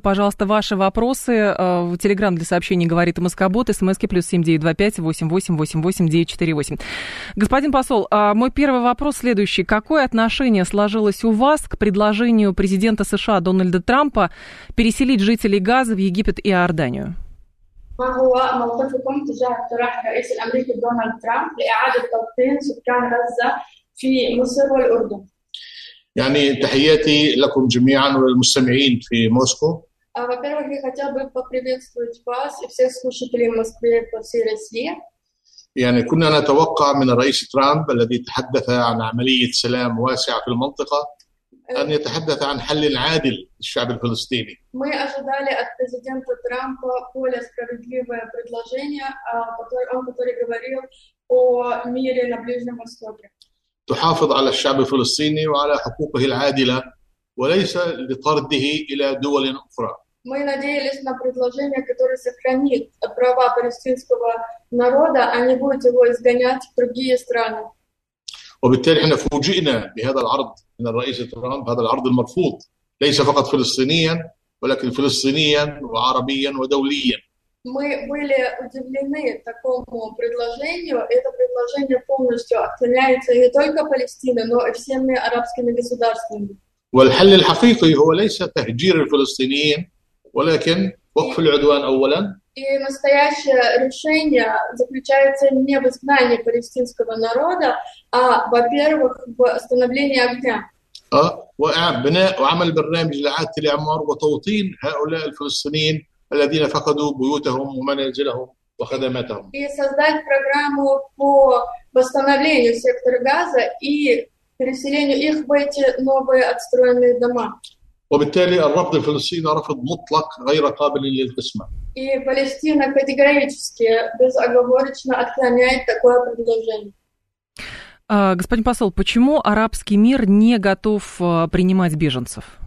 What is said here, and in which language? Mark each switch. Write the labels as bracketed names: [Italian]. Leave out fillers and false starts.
[Russian] Пожалуйста, ваши вопросы. Телеграм для сообщений «Говорит Москобот», смски плюс 7925-888-948. Господин посол, мой первый вопрос следующий. Какое отношение сложилось у вас к предложению президента США Дональда Трампа переселить жителей Газа в Египет и Иорданию? [Arabic] هو موقفكم تجاه اقتراح الرئيس الأمريكي دونالد ترامب لإعادة توطين سكان غزة في مصر والأردن؟ يعني تحياتي لكم جميعا والمستمعين في موسكو. [Russian] во-первых, я хотел бы поприветствовать вас и всех слушателей в Москве по всей России. [Arabic] يعني كنا نتوقع من الرئيس ترامب الذي تحدث عن عملية سلام واسعة في المنطقة أن يتحدث عن حل عادل للشعب الفلسطيني. [Russian] Мы ожидали от президента Трампа более справедливое предложение, который говорил о мире на Ближнем Востоке. [Arabic] تحافظ على الشعب الفلسطيني وعلى حقوقه العادلة وليس لطرده إلى دول أخرى. [Russian] Мы надеялись на предложение, которое сохранит права палестинского народа, а не будет его изгонять в другие страны. [Arabic] وبالتالي احنا فوجئنا بهذا العرض من الرئيس ترامب هذا العرض المرفوض ليس فقط فلسطينيا ولكن فلسطينيا وعربيا ودوليا [Russian] мы были удивлены такому предложению это предложение полностью отклоняется не только Палестиной но и всеми арабскими государствами [Arabic] والحل الحقيقي هو ليس تهجير الفلسطينيين ولكن وقف العدوان اولا [Russian] И настоящее решение заключается не в изгнании палестинского народа, а, во-первых, в остановлении огня. [Arabic] А, وبناء وعمل برنامج لإعادة الإعمار وتوطين هؤلاء الفلسطينيين الذين فقدوا بيوتهم ومنازلهم وخدماتهم. [Russian] И создать программу по восстановлению сектора Газа и переселению их в эти новые отстроенные дома. [Arabic] وبالتالي الرفض الفلسطيني رفض مطلق غير قابل للقسمة. [Russian] И Палестина категорически, безоговорочно отклоняет такое предложение. Господин посол, почему арабский мир не готов принимать беженцев?